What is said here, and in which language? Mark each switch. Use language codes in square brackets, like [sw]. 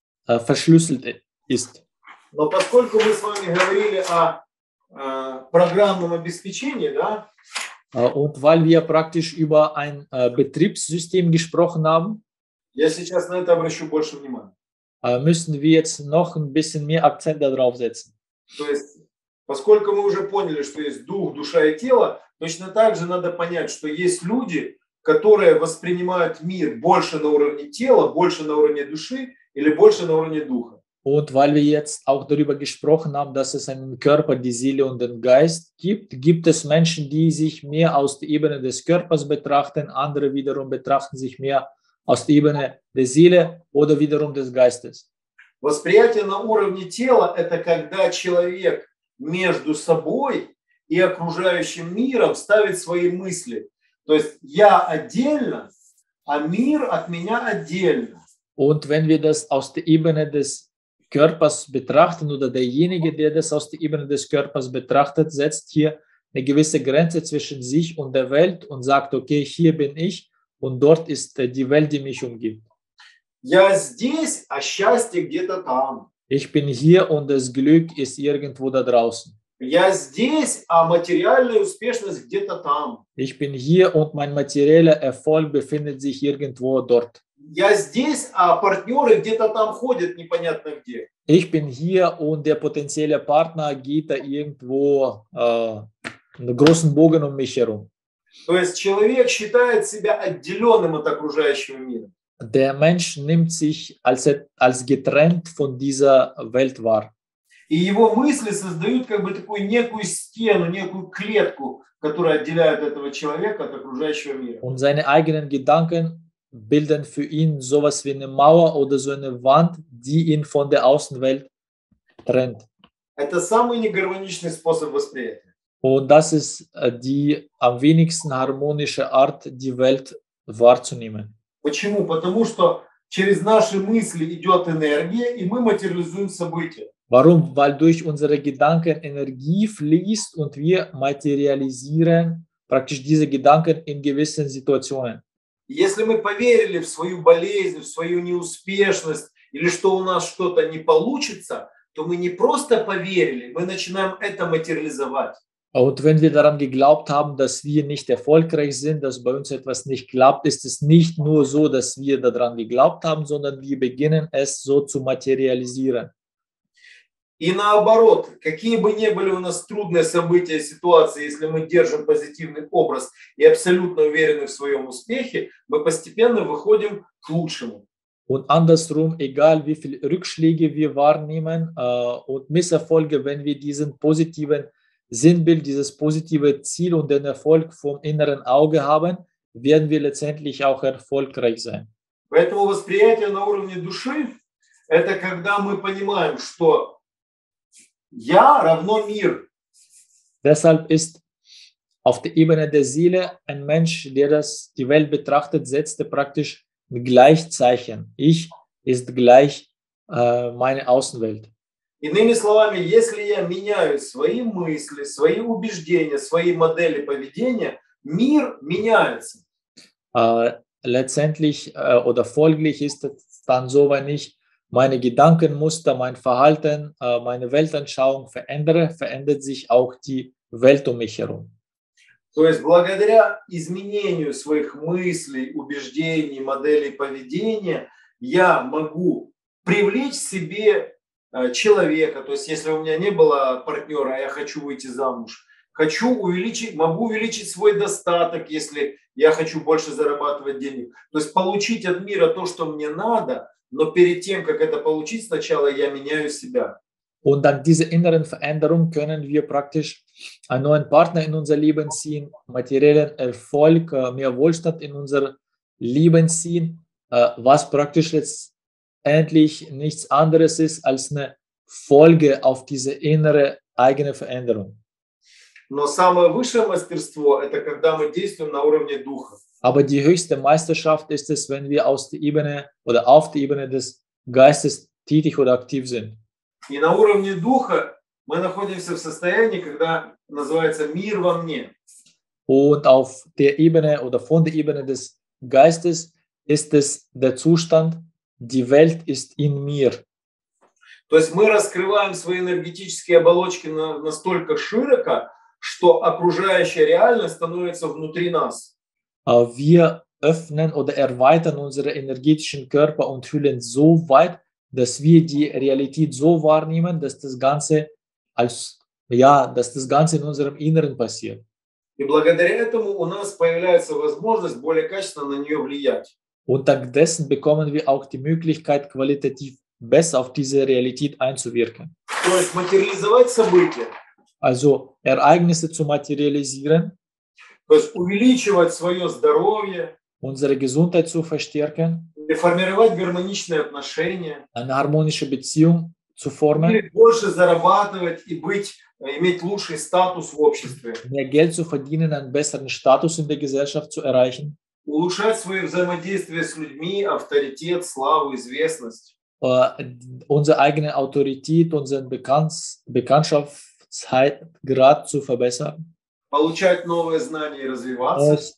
[de] verschlüsselt ist. [ru] Но поскольку мы с вами говорили о программном обеспечении, да? [de] Und weil wir praktisch über ein Betriebssystem gesprochen haben, [ru] я сейчас на это обращу больше внимания. [de] Müssen wir jetzt noch ein bisschen mehr Akzent darauf setzen. [ru] То есть, поскольку мы уже поняли, что есть дух, душа и тело, точно так же надо понять, что есть люди, которые воспринимают мир больше на уровне тела, больше на уровне души или больше на уровне духа. Und weil wir jetzt auch darüber gesprochen haben, dass es einen Körper, die Seele und den Geist gibt, gibt es Menschen, die sich mehr aus der Ebene des Körpers betrachten, andere wiederum betrachten sich mehr aus der Ebene der Seele oder wiederum des Geistes. Восприятие на уровне тела – это когда человек между собой и окружающим миром ставит свои мысли. То есть я отдельно, а мир от меня отдельно. [de] Und wenn wir das aus der Ebene des Körpers betrachten oder derjenige, der das aus der Ebene des Körpers betrachtet, setzt hier eine gewisse Grenze zwischen sich und der Welt und sagt, okay, hier bin ich und dort ist die Welt, die mich umgibt. [ru] Я здесь, а счастье где-то там. [de] Ich bin hier und das Glück ist irgendwo da draußen. [ru] Я здесь, а материальная успешность где-то там. [de] Ich bin hier und mein materieller Erfolg befindet sich irgendwo dort. [ru] Я здесь, а партнеры где-то там ходят непонятно где. [de] Ich bin hier und der potenzielle Partner geht da irgendwo großen Bogen um mich herum. [ru] То есть человек считает себя отделенным от окружающего мира. [de] Der Mensch nimmt sich als getrennt von dieser Welt wahr. [ru] И его мысли создают как бы такую некую стену, некую клетку, которая отделяет этого человека от окружающего мира. [de] Und seine eigenen Gedanken bilden für ihn sowas wie eine Mauer oder so eine Wand, die ihn von der Außenwelt trennt. [ru] Это самый негармоничный способ восприятия. [de] Und das ist die am wenigsten harmonische Art, die Welt wahrzunehmen. [ru] Почему? Потому что через наши мысли идет энергия, и мы материализуем события. [de] Warum? Weil durch unsere Gedanken Energie fließt und wir materialisieren praktisch diese Gedanken in gewissen Situationen. [ru] Если мы поверили в свою болезнь, в свою неуспешность или что у нас что-то не получится, то мы не просто поверили, мы начинаем это материализовать. [de] Und wenn wir daran geglaubt haben, dass wir nicht erfolgreich sind, dass bei uns etwas nicht klappt, ist es nicht nur so, dass wir daran geglaubt haben, sondern wir beginnen es so zu materialisieren. [ru] И наоборот, какие бы ни были у нас трудные события, ситуации, если мы держим позитивный образ и абсолютно уверены в своем успехе, мы постепенно выходим к лучшему. [de] Und andersrum, egal wie viele Rückschläge wir wahrnehmen und Misserfolge, wenn wir diesen positiven Sinnbild, dieses positive Ziel und den Erfolg vom inneren Auge haben, werden wir letztendlich auch erfolgreich sein. [ru] Поэтому восприятие на уровне души – это когда мы понимаем, что я равно мир. [de] Deshalb ist auf der Ebene der Seele ein Mensch, der das die Welt betrachtet, setzte praktisch ein Gleichzeichen. Ich ist gleich meine Außenwelt. [ru] Иными словами, если я меняю свои мысли, свои убеждения, свои модели поведения, мир меняется. [de] Letztendlich oder folglich ist es dann so, wenn ich meine Gedankenmuster, mein Verhalten, meine Weltanschauung verändere, verändert sich auch die Welt um mich herum. [ru] То есть благодаря изменению своих мыслей, убеждений, моделей поведения, я могу привлечь себе человека. То есть если у меня не было партнера, а я хочу выйти замуж, хочу увеличить, могу увеличить свой достаток, если я хочу больше зарабатывать денег. То есть получить от мира то, что мне надо. Но перед тем, как это получить, сначала я меняю себя. [de] Und dank dieser inneren Veränderung können wir praktisch einen neuen Partner in unser Leben ziehen, materiellen Erfolg, mehr Wohlstand in unser Leben ziehen, was praktisch letztendlich nichts anderes ist als eine Folge auf diese innere eigene Veränderung. [ru] Но самое высшее мастерство – это когда мы действуем на уровне духа. [de] Aber die höchste Meisterschaft ist es, wenn wir aus der Ebene oder auf der Ebene des Geistes tätig oder aktiv sind. [ru] И на уровне духа мы находимся в состоянии, когда называется мир во мне. [de] Und auf der Ebene oder von der Ebene des Geistes ist es der Zustand, die Welt ist in mir. [ru] То есть мы раскрываем свои энергетические оболочки настолько широко, что окружающая реальность становится внутри нас. [de] Wir öffnen oder erweitern unsere energetischen Körper und fühlen so weit, dass wir die Realität so wahrnehmen, dass das Ganze als ja, dass das Ganze in unserem Inneren passiert. [ru] И благодаря этому у нас появляется возможность более качественно на нее влиять. [de] Und dank dessen bekommen wir auch die Möglichkeit, qualitativ besser auf diese Realität einzuwirken. [ru] То есть материализовать события. [de] Also Ereignisse zu materialisieren. [ru] То есть увеличивать свое здоровье. [de] Unsere Gesundheit zu verstärken. [ru] Реформировать гармоничные отношения. [de] Eine harmonische Beziehung zu formen. [ru] Больше зарабатывать и иметь лучший статус в обществе. [de] Mehr Geld zu verdienen, einen besseren Status in der Gesellschaft zu erreichen. [ru] Улучшать свои взаимодействия с людьми, авторитет, славу, известность. [de] Unsere eigene Autorität, unseren Bekanntschaftsgrad zu verbessern. [ru] Получать новые знания и развиваться.